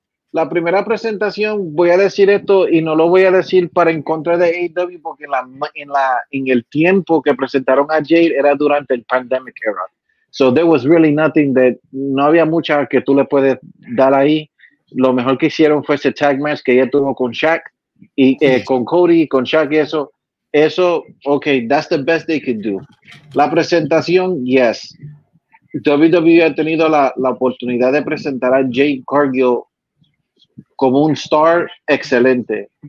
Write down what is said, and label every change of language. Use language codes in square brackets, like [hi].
[es] La primera presentación, voy a decir esto y no lo voy a decir para en contra de AEW porque en el tiempo que presentaron a Jade era durante el pandemic era. [en] So there was really nothing that, [es] no había mucha que tú le puedes dar ahí. Lo mejor que hicieron fue ese tag match que ella tuvo con Shaq y con Cody, con Shaq y eso. [en] Eso, ok, that's the best they could do. [es] La presentación, yes. WWE ha tenido la oportunidad de presentar a Jade Cargill como un star excelente.